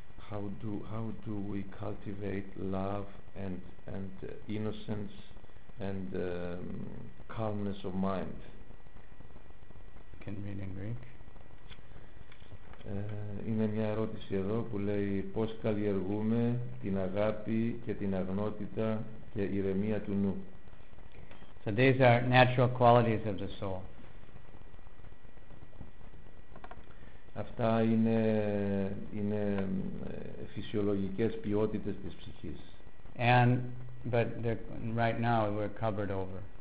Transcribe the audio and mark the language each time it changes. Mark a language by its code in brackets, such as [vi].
[en] How do we cultivate love and innocence and calmness of mind? Can read in Greek. [el] Είναι μια ερώτηση εδώ που λέει πώς καλλιεργούμε την αγάπη και την αγνότητα και ηρεμία του νου. [en] So these are natural qualities of the soul. [el] Αυτά είναι φυσιολογικές ποιότητες της ψυχής. [en] And but right now we're covered over.